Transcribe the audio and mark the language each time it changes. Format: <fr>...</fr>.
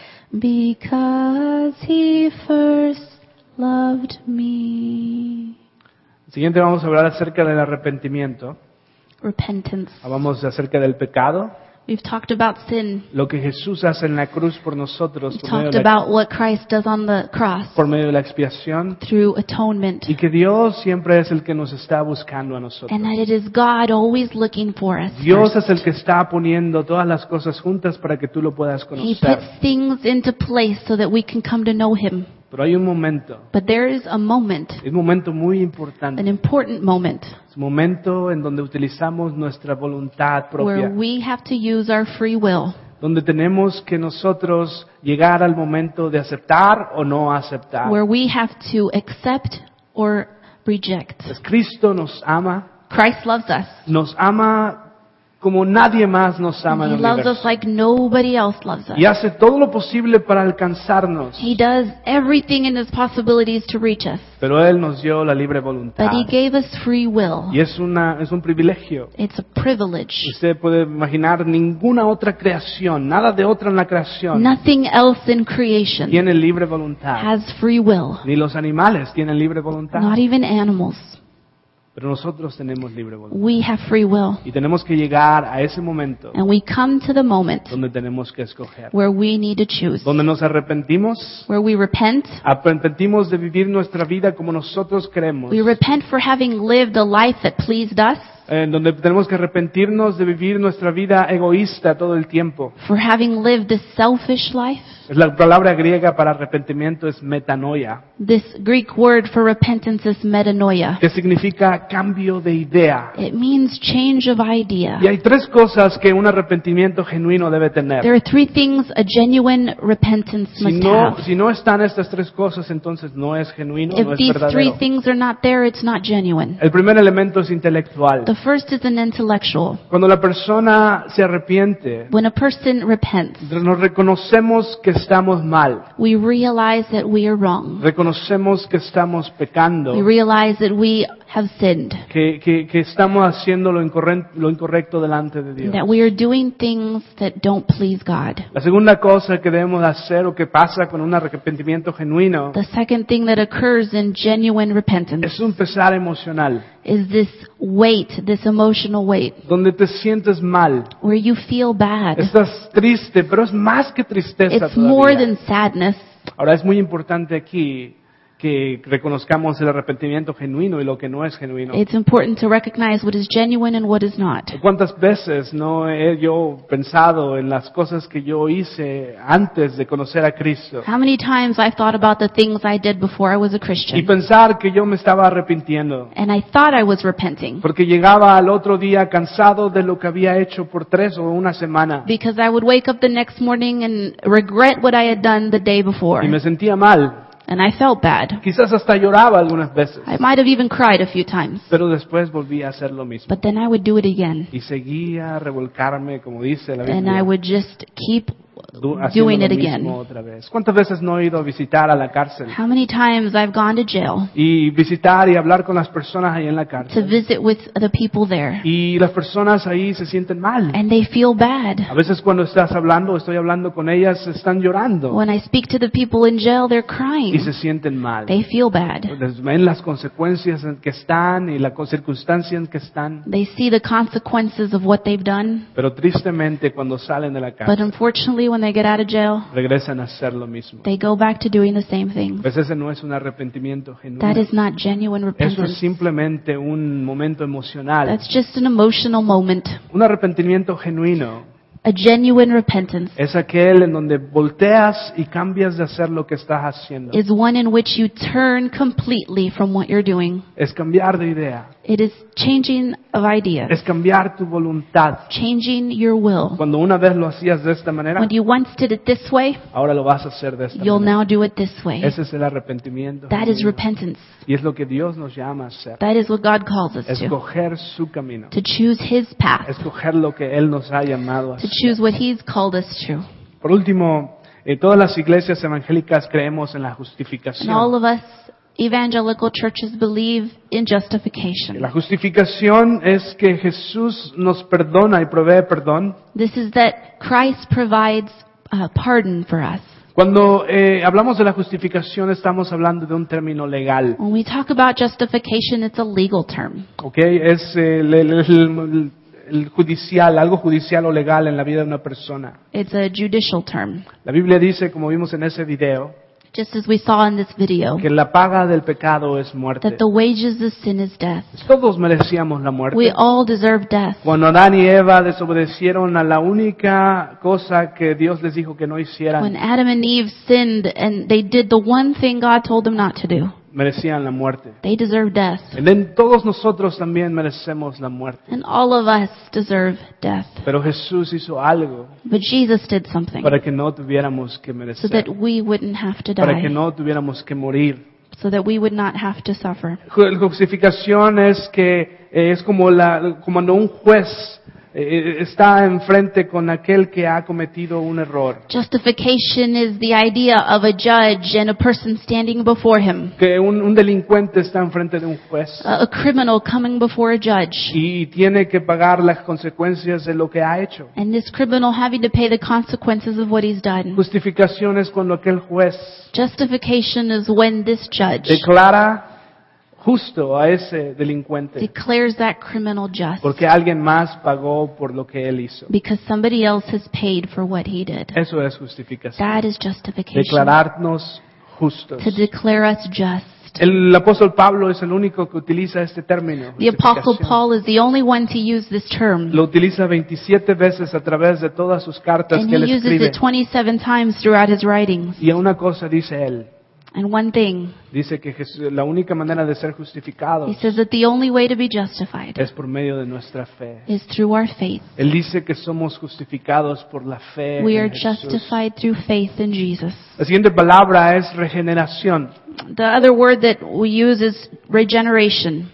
<en>Because he first loved me.</en> <es>Siguiente vamos a hablar acerca del arrepentimiento.</es> <en>Repentance.</en> <es>Hablamos acerca del pecado.</es> <en>We've talked about sin.</en> <es>Lo que Jesús hace en la cruz por nosotros.</es> <en>We've talked about what Christ does on the cross.</en> <es>Por medio de la expiación.</es> <en>Through atonement.</en> <es>Y que Dios siempre es el que nos está buscando a nosotros.</es> <en>And that it is God always looking for us.</en> <es>Dios es el que está poniendo todas las cosas juntas para que tú lo puedas conocer.</es> <en>He puts things into place so that we can come to know Him.</en> <es>Pero hay un momento.</es> <en>But there is a moment.</en> <es>Es un momento muy importante.</es> <en>An important moment.</en> <es>Es un momento en donde utilizamos nuestra voluntad propia.</es> <en>Where we have to use our free will.</en> <es>Donde tenemos que nosotros llegar al momento de aceptar o no aceptar.</es> <en>Where we have to accept or reject.</en> <es>Pues Cristo nos ama.</es> <en>Christ loves us.</en> <es>Nos ama como nadie más nos ama en el</es> <en>universo. He loves us like nobody else loves us.</en> <es>Y hace todo lo posible para alcanzarnos.</es> <en>He does everything in his possibilities to reach us.</en> <es>Pero él nos dio la libre voluntad.</es> <en>But he gave us free will.</en> <es>Y es un privilegio.</es> <en>It's a privilege.</en> <es>Usted puede imaginar ninguna otra creación, nada de otra en la creación.</es> <en>Nothing else in creation.</en> <es>Tiene libre voluntad.</es> <en>Has free will.</en> <es>Ni los animales tienen libre voluntad.</es> <en>Not even animals.</en> <es>Pero nosotros tenemos libre voluntad.</es> <en>We have free will.</en> <es>Y tenemos que llegar a ese momento.</es> <en>And we come to the moment.</en> <es>Donde tenemos que escoger.</es> <en>Where we need to choose.</en> <es>Donde nos arrepentimos.</es> <en>Where we repent.</en> <es>Arrepentimos de vivir nuestra vida como nosotros queremos.</es> <en>We repent for having lived a life that pleased us.</en> <es>En donde tenemos que arrepentirnos de vivir nuestra vida egoísta todo el tiempo.</es> <en>For having lived this selfish life.</en> <es>La palabra griega para arrepentimiento es metanoia.</es> <en>This Greek word for repentance is metanoia.</en> <es>Que significa cambio de idea.</es> <en>It means change of idea.</en> <es>Y hay tres cosas que un arrepentimiento genuino debe tener.</es> <en>There are three things a genuine repentance must have.</en> <es>Si no están estas tres cosas, entonces no es genuino, no es verdadero.</es> <en>If these three things are not there, it's not genuine.</en> <es>El primer elemento es intelectual.</es> <en>The first is an intellectual.</en> <es>Cuando la persona se arrepiente,</es> <en>when a person repents,</en> <es>nos reconocemos que estamos mal.</es> <en>We realize that we are wrong.</en> <es>Reconocemos que estamos pecando.</es> <en>We realize that we have sinned.</en> <es>Que estamos haciendo lo incorrecto delante de Dios.</es> <en>That we are doing things that don't please God.</en> <es>La segunda cosa que debemos hacer o que pasa con un arrepentimiento genuino,</es> <en>the second thing that occurs in genuine repentance,</en> <es>es un pesar emocional.</es> <en>Is this weight, this emotional weight.</en> <es>Donde te sientes mal.</es> <en>Where you feel bad.</en> <es>Estás triste, pero es más que tristeza.</es> <en>It's more than sadness.</en> <es>Ahora es muy importante aquí que reconozcamos el arrepentimiento genuino y lo que no es genuino.</es> <en>It's important to recognize what is genuine and what is not.</en> <es>¿Cuántas veces no he yo pensado en las cosas que yo hice antes de conocer a Cristo?</es> <en>How many times I thought about the things I did before I was a Christian?</en> <es>Y pensar que yo me estaba arrepintiendo.</es> <en>And I thought I was repenting.</en> <es>Porque llegaba al otro día cansado de lo que había hecho por tres o una semana.</es> <en>Because I would wake up the next morning and regret what I had done the day before.</en> <es>Y me sentía mal.</es> <en>And I felt bad.</en> <es>Quizás hasta lloraba algunas veces.</es> <en>I might have even cried a few times.</en> <es>Pero después volví a hacer lo mismo.</es> <en>But then I would do it again.</en> <es>Y seguía revolcarme, como dice la Biblia.</es> <en>And I would just keep doing it again.</en> <es>¿Cuántas veces no he ido a visitar a la cárcel?</es> <en>How many times I've gone to jail?</en> <es>Y visitar y hablar con las personas ahí en la cárcel.</es> <en>To visit with the people there.</en> <es>Y las personas ahí se sienten mal.</es> <en>And they feel bad.</en> <es>A veces cuando estás hablando, estoy hablando con ellas, están llorando.</es> <en>When I speak to the people in jail, they're crying.</en> <es>Y se sienten mal.</es> <en>They feel bad.</en> <es>Ven las consecuencias en que están y la circunstancia en que están.</es> <en>They see the consequences of what they've done.</en> <es>Pero tristemente cuando salen de la cárcel.</es> <en>But unfortunately when they get out of jail,</en> <es>regresan a hacer lo mismo.</es> <en>They go back to doing the same thing.</en> <es>Pues ese no es un arrepentimiento genuino.</es> <en>That is not genuine repentance.</en> <es>Eso es simplemente un momento emocional.</es> <en>That's just an emotional moment.</en> <es>Un arrepentimiento genuino.</es> <en>A genuine repentance.</en> <es>Es aquel en donde volteas y cambias de hacer lo que estás haciendo.</es> <en>Is one in which you turn completely from what you're doing.</en> <es>Es cambiar de idea.</es> <en>It is changing of idea.</en> <es>Es cambiar tu voluntad.</es> <en>Changing your will.</en> <es>Cuando una vez lo hacías de esta manera,</es> <en>when you once did it this way,</en> <es>ahora lo vas a hacer de esta</es> <en>you'll</en> <es>manera.</es> <en>Now do it this way.</en> <es>Ese es el arrepentimiento.</es> <en>That is repentance.</en> <es>Y es lo que Dios nos llama a hacer.</es> <en>That is what God calls us</en> <es>escoger</es> <en>to.</en> <es>Escoger su camino.</es> <en>To choose His path.</en> <es>Escoger lo que Él nos ha llamado a</es> <en>to choose what He's called us to.</en> <es>Por último, todas las iglesias evangélicas creemos en la justificación.</es> <en>And all of us evangelical churches believe in justification.</en> <es>La justificación es que Jesús nos perdona y provee perdón.</es> <en>This is that Christ provides pardon for us.</en> <es>Cuando hablamos de la justificación, estamos hablando de un término legal.</es> <en>When we talk about justification, it's a legal term.</en> <es>Okay, es el judicial, algo judicial o legal en la vida de una persona.</es> <en>It's a judicial term.</en> <es>La Biblia dice, como vimos en ese video,</es> <en>just as we saw in this video,</en> <es>que la paga del pecado es muerte.</es> <en>That the wages of sin is death.</en> <es>Todos merecíamos la muerte.</es> <en>We all deserve death.</en> <es>Cuando Adán y Eva desobedecieron a la única cosa que Dios les dijo que no hicieran.</es> <en>When Adam and Eve sinned and they did the one thing God told them not to do.</en> <es>Merecían la muerte.</es> <en>They deserve death.</en> <es>Y todos nosotros también merecemos la muerte.</es> <en>And all of us deserve death.</en> <es>Pero Jesús hizo algo.</es> <en>But Jesus did something.</en> <es>Para que no tuviéramos que merecer.</es> <en>So that we wouldn't have to die.</en> <es>Para que no tuviéramos que morir.</es> <en>So that we would not have to suffer.</en> <es>La justificación es que es como la cuando un juez está enfrente con aquel que ha cometido un error.</es> <en>Justification is the idea of a judge and a person standing before him.</en> <es>Que un delincuente está enfrente de un juez.</es> <en>A criminal coming before a judge.</en> <es>Y tiene que pagar las consecuencias de lo que ha hecho.</es> <en>And this criminal having to pay the consequences of what he's done.</en> <es>Justificación es cuando aquel juez.</es> <en>Justification is when this judge.</en> <es>Declara justo a ese delincuente.</es> <en>Declares that criminal just.</en> <es>Porque alguien más pagó por lo que él hizo.</es> <en>Because somebody else has paid for what he did.</en> <es>Eso es justificación.</es> <en>That is justification.</en> <es>Declararnos justos.</es> <en>To declare us just.</en> <es>El apóstol Pablo es el único que utiliza este término.</es> <en>The apostle Paul is the only one to use this term.</en> <es>Lo utiliza 27 veces a través de todas sus cartas</es> <en>and</en> <es>que él escribe.</es> <en>And he uses it 27 times throughout his writings.</en> <es>Y una cosa dice él.</es> <en>And one thing.</en> <es>Dice que Jesús, la única manera de ser justificados.</es> <en>He says that the only way to be justified.</en> <es>Es por medio de nuestra fe.</es> <en>Is through our faith.</en> <es>Él dice que somos justificados por la fe.</es> <en>We are justified through faith in Jesus.</en> <es>La siguiente palabra es regeneración.</es> <en>The other word that we use is regeneration.</en>